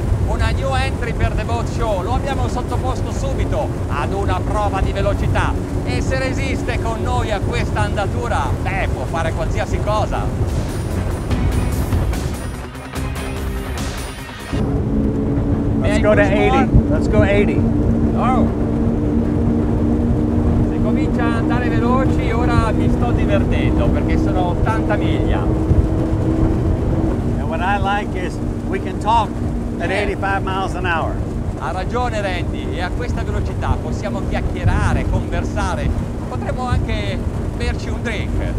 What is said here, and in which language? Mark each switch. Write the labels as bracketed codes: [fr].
[it] Una new entry per The Boat Show, lo abbiamo sottoposto subito ad una prova di velocità e se resiste con noi a questa andatura, beh, può fare qualsiasi cosa. [en] Let's go to 80. Let's go 80. Oh. [it] Se comincia ad andare veloci, ora mi sto divertendo perché sono 80 miglia. [en] And what I like is we can talk. At 85 miles an hour. [it] Ha ragione Randy, e a questa velocità possiamo chiacchierare, conversare, potremmo anche berci un drink.